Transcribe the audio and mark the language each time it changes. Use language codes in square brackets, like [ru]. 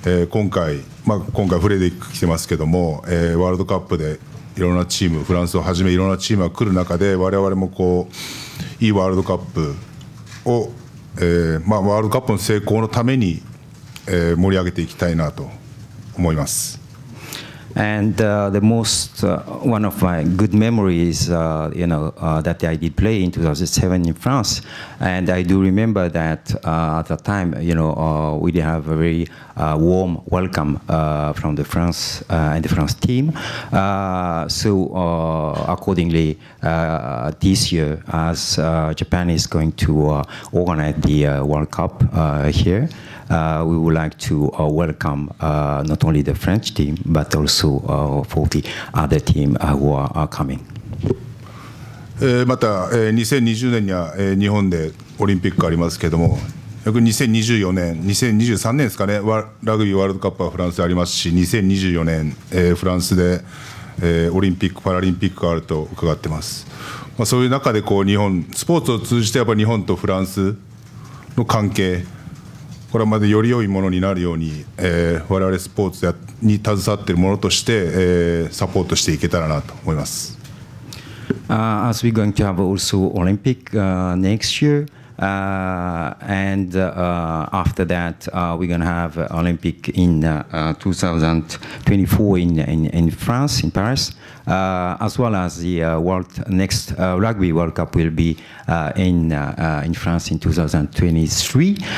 [ja] 今回フレデリック来てますけども、ワールドカップでいろんなチーム、フランスをはじめいろんなチームが来る中で、我々もこういいワールドカップをワールドカップの成功のために、盛り上げていきたいなと思います。 [en] And the most one of my good memories, that I did play in 2007 in France, and I do remember that at that time, we did have a very warm welcome from the France and the France team. Accordingly, this year, as Japan is going to organize the World Cup here. We would like to welcome not only the French team, but also for the other team who are coming. [ja] また、2020年には、日本でオリンピックがありますけれども、約2024年、2023年ですかね、ラグビーワールドカップはフランスでありますし、2024年、フランスで、オリンピック・パラリンピックがあると伺っています。まあ、そういう中でこう日本、スポーツを通じてやっぱり日本とフランスの関係、これまでより良いものになるように、我々スポーツに携わっているものとして、サポートしていけたらなと思います。 [en] As we're going to have also Olympic next year, After that, we're going to have Olympic in 2024 in France, in Paris, as well as the next Rugby World Cup will be in France in 2023.